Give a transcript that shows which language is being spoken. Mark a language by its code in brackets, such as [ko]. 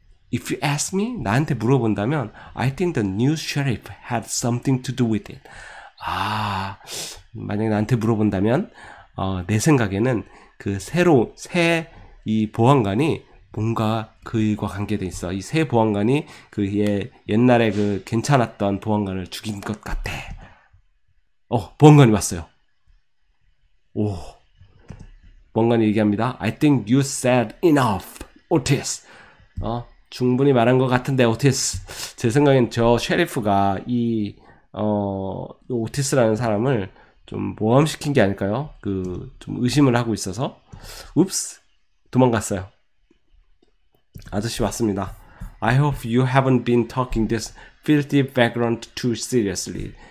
[en] If you ask me, [ko] 나한테 물어본다면, [en] I think the new sheriff had something to do with it. [ko] 아, 만약에 나한테 물어본다면, 내 생각에는 그 새로 새이 보안관이 뭔가 그 일과 관계돼 있어. 이새 보안관이 그의 옛날에 그 괜찮았던 보안관을 죽인 것 같아. 보안관이 왔어요. 오, 보안관이 얘기합니다. [en] I think you said enough, Otis. [ko] 충분히 말한 것 같은데, [en] Otis. [ko] 제 생각엔 저 셰리프가 이 Otis라는 사람을 좀 모함시킨 게 아닐까요? 그좀 의심을 하고 있어서. Oops, 도망갔어요. 아저씨 왔습니다. [en] I hope you haven't been talking this filthy vagrant too seriously.